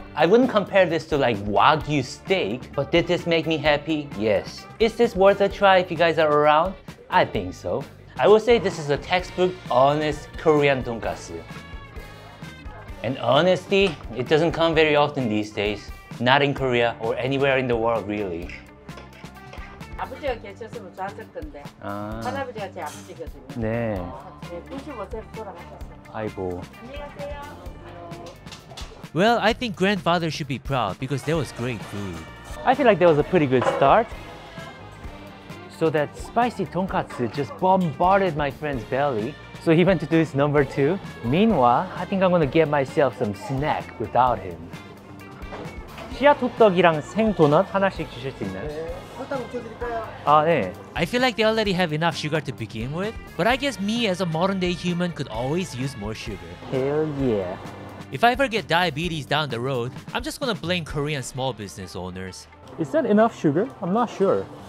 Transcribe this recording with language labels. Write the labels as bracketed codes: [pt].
[en] I wouldn't compare this to like Wagyu steak, but did this make me happy? Yes. Is this worth a try if you guys are around? I think so. I would say this is a textbook honest Korean tonkatsu. And honesty, it doesn't come very often these days. Not in Korea or anywhere in the world, really. [ko] 아버지가 계셨으면 좋았을 텐데. 할아버지가 제 아버지거든요. 네. 제 95세 돌아가셨어요. 아이고. 안녕하세요. [en] Well, I think grandfather should be proud because that was great food. I feel like that was a pretty good start. So that spicy tonkatsu just bombarded my friend's belly. So he went to do his number two. Meanwhile, I think I'm gonna get myself some snack without him. [ko] 씨앗 호떡이랑 생 도넛 하나씩 주실 수 있나요? 네, 설탕 묻혀드릴까요? 아, 네. [en] I feel like they already have enough sugar to begin with, but I guess me as a modern day human could always use more sugar. Hell yeah. If I ever get diabetes down the road, I'm just gonna blame Korean small business owners. Is that enough sugar? I'm not sure.